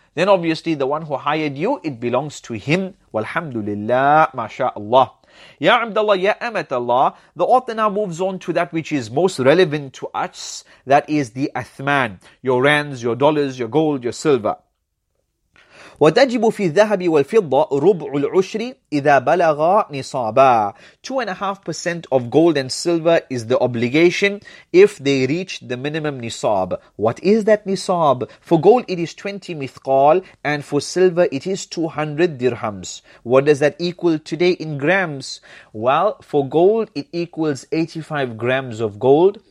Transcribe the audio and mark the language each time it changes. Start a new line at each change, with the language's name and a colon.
English: Then obviously the one who hired you, it belongs to him. Walhamdulillah, mashallah. Ya Abdullah, ya Amatullah. The author now moves on to that which is most relevant to us. That is the Athman. Your rands, your dollars, your gold, your silver.
Arabic: وتجب في الذهب والفضة ربع العشر إذا بلغ نصابا.
English: 2.5% of gold and silver is the obligation if they reach the minimum nisab. What is that nisab? For gold it is 20 mithqal and for silver it is 200 dirhams. What does that equal today in grams? Well, for gold it equals 85 grams of gold.